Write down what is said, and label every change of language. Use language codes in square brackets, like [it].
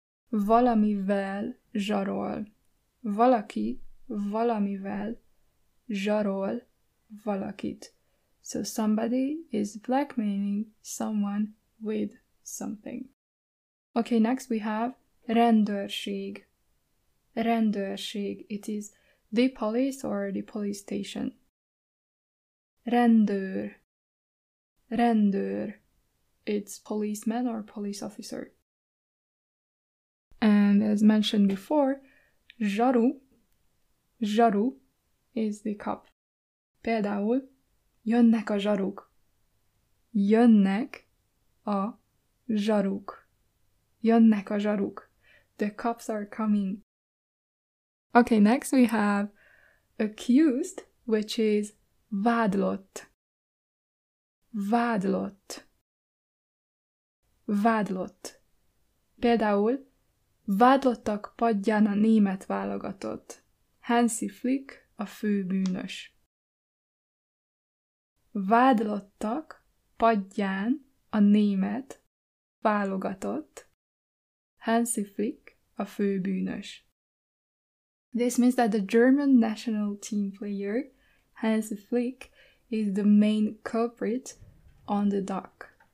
[hu] Valamivel zsarol. Valaki valamivel zsarol valakit. [en] So somebody is blackmailing someone with something. Okay, next we have rendőrség. [hu] Rendőrség. [en] It is the police or the police station. [hu] Rendőr. Rendőr. [en] It's policeman or police officer. And as mentioned before, zsaru. Zsaru is the cop. [hu] Például, jönnek a zsaruk. Jönnek a zsaruk. Jönnek a zsaruk. [en] The cops are coming. Okay, next we have accused, which is vádlott. [hu] Vádlott. Vádlott. Például, vádlottak padján a német válogatott. Hansi Flick a főbűnös. Vádlottak padján a német válogatott. Hansi Flick a főbűnös. [en] This means that the German national team player Hansi Flick is the main culprit on the dock.